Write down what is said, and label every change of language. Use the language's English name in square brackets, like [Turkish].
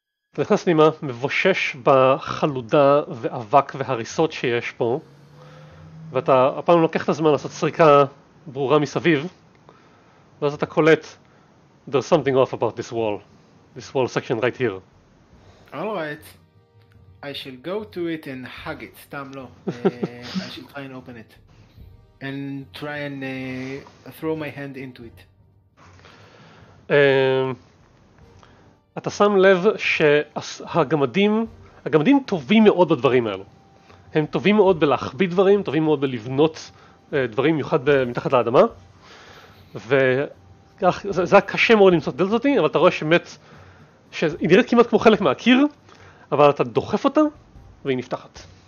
[Hebrew] אתה נכנס נימה, מבושש בחלודה ואבק והריסות שיש פה, ואתה הפעם לוקח את הזמן לעשות סריקה ברורה מסביב, ואז אתה קולט, [English] there's something off about this wall, this wall section right here. All right, I shall go to it and hug it, [Hebrew] סתם לא, [English] I shall try and open it, and try and throw my hand into it. [Hebrew] אתה שם לב שהגמדים, הגמדים טובים מאוד בדברים האלו. הם טובים מאוד בלהחביא דברים, טובים מאוד בלבנות דברים, מיוחד מתחת לאדמה. וזה היה קשה מאוד למצוא את הדלת הזאת, אבל אתה רואה שמת, שהיא נראית כמעט כמו חלק מהקיר, אבל אתה דוחף אותה והיא נפתחת.